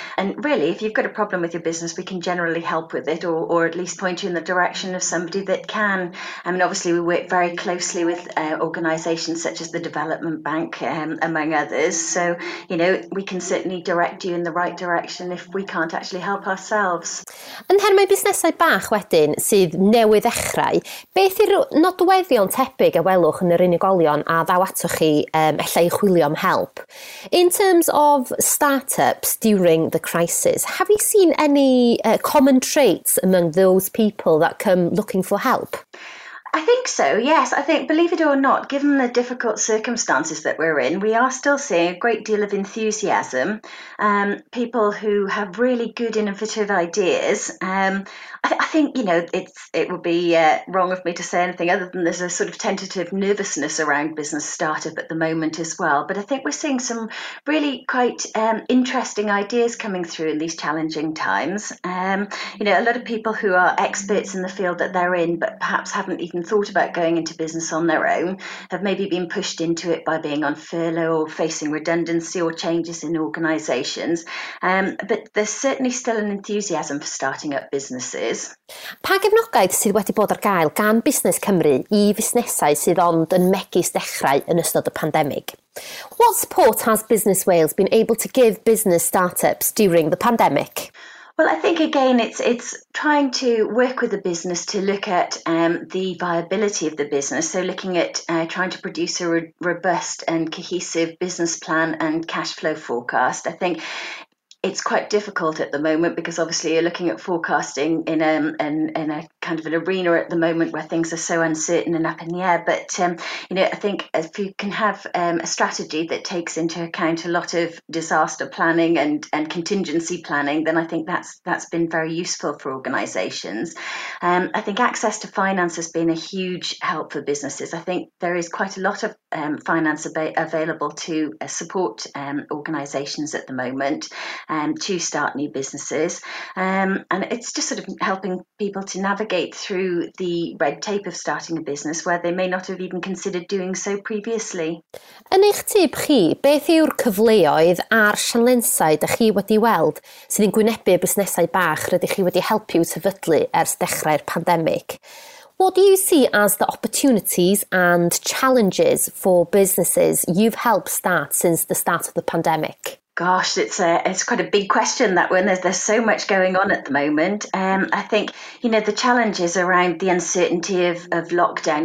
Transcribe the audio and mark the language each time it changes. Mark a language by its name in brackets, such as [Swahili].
[English] And really, if you've got a problem with your business, we can generally help with it or at least point you in the direction of somebody that can. I mean, obviously, we work very closely with organisations such as the Development Bank, among others. So, you know, we can certainly direct you in the right direction if we can't actually help ourselves. [Welsh] Yn termau busnesau bach wedyn, sydd newydd ddechrau, beth yw'r nodweddion tebyg a welwch yn yr unigolion a ddaw atoch chi allai I chwilio am help? [English] In terms of startups during the crisis, have you seen any common traits among those people that come looking for help? I think so, yes. I think, believe it or not, given the difficult circumstances that we're in, we are still seeing a great deal of enthusiasm. People who have really good innovative ideas. I think, you know, it would be wrong of me to say anything other than there's a sort of tentative nervousness around business startup at the moment as well. But I think we're seeing some really quite interesting ideas coming through in these challenging times. You know, a lot of people who are experts in the field that they're in, but perhaps haven't even even thought about going into business on their own have maybe been pushed into it by being on furlough or facing redundancy or changes in organisations. But there's certainly still an enthusiasm for starting up businesses. [Welsh] Pa gefnogaeth sydd wedi bod ar gael gan Busnes Cymru I fusnesau sydd ond yn megis dechrau yn ystod y pandemig? [English] What support has Busnes Wales been able to give business startups during the pandemic? Well, I think, again, it's trying to work with the business to look at the viability of the business. So looking at trying to produce a robust and cohesive business plan and cash flow forecast. I think it's quite difficult at the moment because obviously you're looking at forecasting in a kind of an arena at the moment where things are so uncertain and up in the air. But, you know, I think if you can have a strategy that takes into account a lot of disaster planning and contingency planning, then I think that's been very useful for organisations. I think access to finance has been a huge help for businesses. I think there is quite a lot of finance available to support organisations at the moment to start new businesses. And it's just sort of helping people to navigate through the red tape of starting a business where they may not have even considered doing so previously. [Welsh] Yn eich tip chi, beth yw'r cyfleoedd a'r sianlensau dych chi wedi weld sydd yn gwynebu busnesau bach rydych chi wedi helpu i'w sefydlu ers dechrau'r pandemig? [English] What do you see as the opportunities and challenges for businesses you've helped start since the start of the pandemic? Gosh, it's quite a big question, that one. There's so much going on at the moment. I think, you know, the challenges around the uncertainty of lockdown.